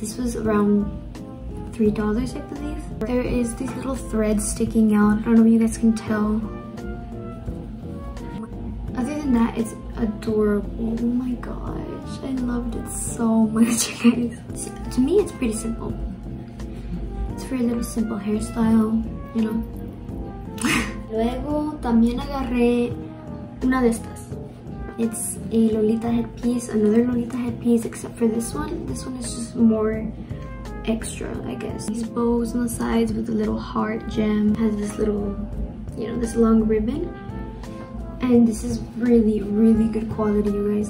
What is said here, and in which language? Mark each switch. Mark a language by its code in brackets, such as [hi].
[en] This was around $3, I believe. There is these little threads sticking out. I don't know if you guys can tell. Other than that, it's adorable. Oh my gosh, I loved it so much, you guys. To me, it's pretty simple. It's for a little simple hairstyle, you know. [es] Luego, también agarré una de estas. [en] It's a Lolita headpiece, another Lolita headpiece, except for this one. This one is just more extra, I guess. These bows on the sides with a little heart gem. Has this little, you know, this long ribbon. And this is really, really good quality, you guys.